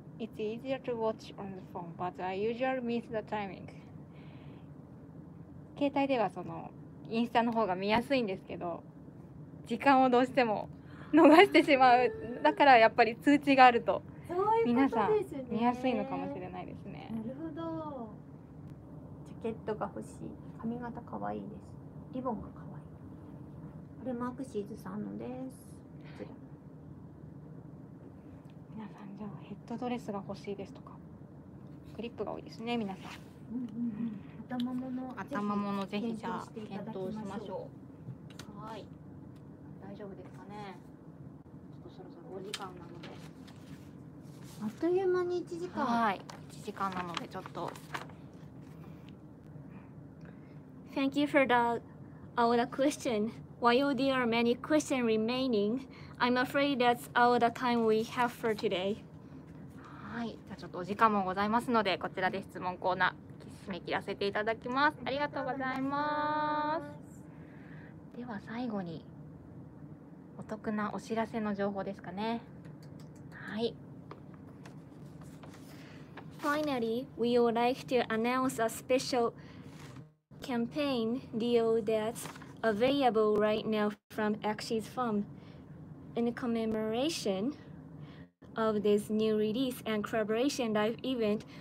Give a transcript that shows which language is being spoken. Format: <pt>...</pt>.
<en>It's easier to watch on the phone, but I usually miss the timing.</en> <ja>携帯ではそのインスタの方が見やすいんですけど、時間をどうしても逃してしまう。だからやっぱり通知があると皆さん見やすいのかもしれないですね。なるほど。ジャケットが欲しい。髪型可愛いです。リボンが可愛い。これマークシーズさんのです。皆さんじゃあヘッドドレスが欲しいですとか、クリップが多いですね皆さん。うんうんうん、頭物ぜひじゃあ検討しましょう。はい。大丈夫ですかね。ちょっとそろそろお時間なので。あっという間に1時間。はい。1時間なのでちょっと。</ja> <en>Thank you for the all the question. While there are many questions remaining, I'm afraid that's all the time we have for today.</en> <ja>はい。じゃあちょっとお時間もございますので、こちらで質問コーナー締め切らせていただきます。ありがとうございます。では最後にお得なお知らせの情報ですかね。はい。</ja> <en>Finally, we would like to announce a special campaign deal that's available right now from Axie's Farm in commemoration of this new release and collaboration live event.</en>